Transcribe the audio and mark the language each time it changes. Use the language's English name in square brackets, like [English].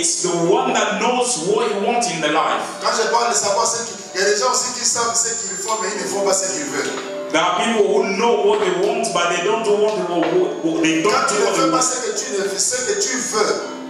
[English] It's the one that knows what he wants in the life. [French] Quand je parle de savoir ce qu'il veut, il y a des gens aussi qui savent ce qu'il faut, mais ils ne font pas ce qu'ils veulent. [English] There are people who know what they want, but they don't want what they don't what they want. [French] Quand tu ne fais pas ce que tu veux.